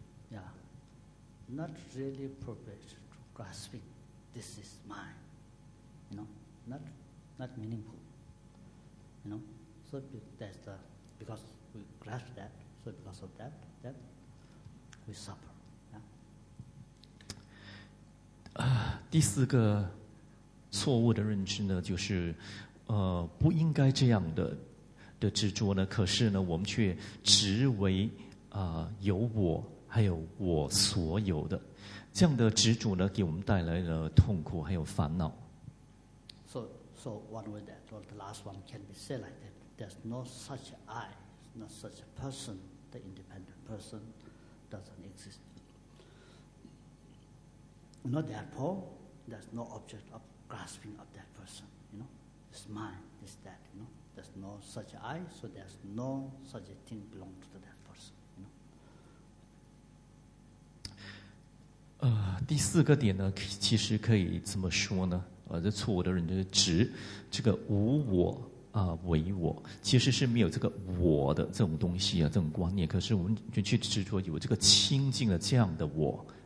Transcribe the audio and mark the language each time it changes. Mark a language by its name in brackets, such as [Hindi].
[English] Yeah. Not really appropriate to grasping this is mine. You know, not meaningful. You know, so that's the, because we grasp that, so because of that, then we suffer. Yeah. [Chinese] 第四个错误的认知呢，就是不应该这样的执着呢，可是呢我们却执为有我还有我所有的，这样的执着呢给我们带来了痛苦还有烦恼。 [English] So one with that, or the last one can be said like that. There's no such I, not such a person, the independent person doesn't exist. Not therefore, there's no object of grasping of that person, you know. It's mine, it's that, you know. There's no such I, so there's no such a thing belong to that person, you know. [Chinese] 第四个点呢，其实可以怎么说呢？这错误的人就是执这个无我为我，其实是没有这个我的这种东西啊，这种观念。可是我们就去执着有这个清净的这样的我。